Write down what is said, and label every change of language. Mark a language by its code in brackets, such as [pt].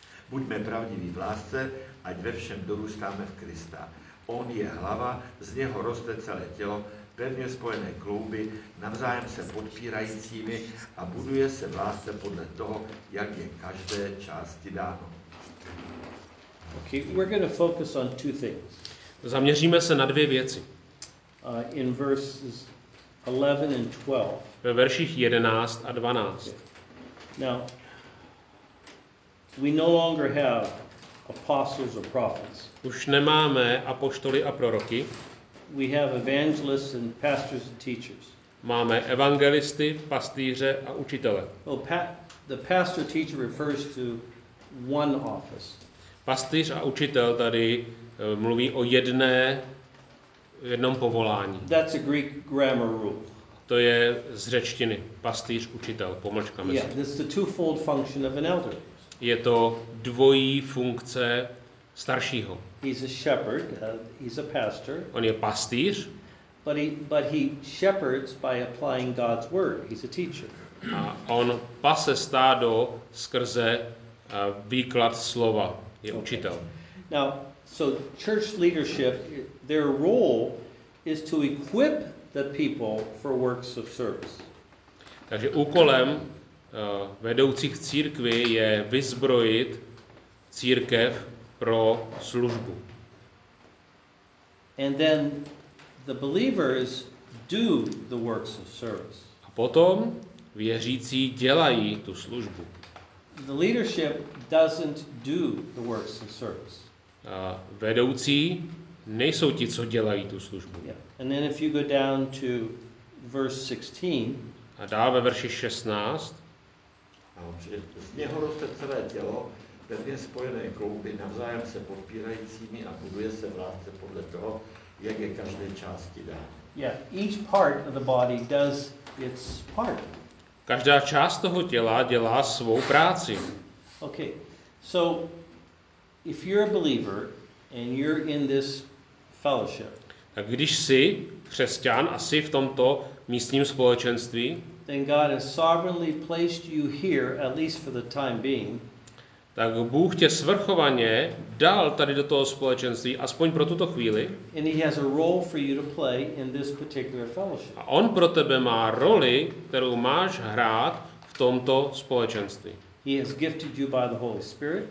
[cs] Buďme pravdiví v lásce, ať ve všem dorůstáme v Krista. On je hlava, z něho roste celé tělo, pevně spojené klouby, navzájem se podpírajícími a buduje se v lásce podle toho, jak je každé části dáno. [en] Okay, we're going to focus on two things. [cs] Zaměříme se na dvě věci. [en] In verses 11 and 12. [cs] Ve verších 11 a 12. [en] Now, we no longer have apostles or prophets. [cs] Už nemáme apoštoly a proroky. [en] We have evangelists and pastors and teachers. [cs] Máme evangelisty, pastýře a učitele. [en] Well, the pastor teacher refers to one office. [cs] Pastýř a učitel tady mluví o jednom povolání. [en] That's a Greek grammar rule. [cs] To je z řečtiny. Pastýř, učitel, pomlčka mezi. [en] Yeah, this is the twofold function of an elder. [cs] Je to dvojí funkce staršího. [en] He's a shepherd, he's a pastor. [cs] On je pastýř. [en] But he shepherds by applying God's word. He's a teacher. [cs] A on pase stádo skrze výklad slova. Je učitel. [en] Okay. Now, so church leadership, their role is to equip the people for works of service. [cs] Takže úkolem vedoucích církvy je vyzbrojit církev pro službu. [en] And then the believers do the works of service. [cs] A potom věřící dělají tu službu. [en] The leadership doesn't do the works of service. [cs] Vedoucí nejsou ti, co dělají tu službu. [en] Yeah. And then if you go down to verse 16. [cs] A dál ve verši 16. Z něho roste celé tělo, pevně spojené klouby, navzájem se podpírajícími a buduje se v lásce podle toho, jak je každé části dá. [en] Yeah, each part of the body does its part. [cs] Každá část toho těla dělá svou práci. [en] Okay. So if you're a believer and you're in this fellowship. [cs] Tak když jsi křesťan a jsi v tomto místním společenství, [en] then God has sovereignly placed you here at least for the time being. [cs] Tak Bůh tě svrchovaně dal tady do toho společenství aspoň pro tuto chvíli. [en] And he has a role for you to play in this particular fellowship. [cs] A on pro tebe má roli, kterou máš hrát v tomto společenství. [en] He has gifted you by the Holy Spirit.